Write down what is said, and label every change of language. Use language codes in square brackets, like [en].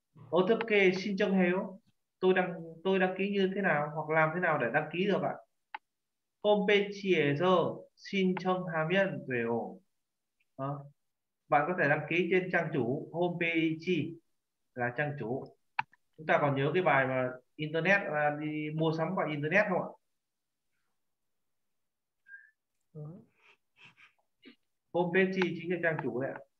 [ko] 어떻게 신청해요? [vi] Tôi đăng ký như thế nào? Hoặc làm thế nào để đăng ký được ạ? [ko] 홈페이지에서 신청하면 돼요. [vi] bạn có thể đăng ký trên trang chủ homepage là trang chủ. Chúng ta còn nhớ cái bài mà internet là đi mua sắm qua internet không ạ? Homepage chính là trang chủ đấy ạ.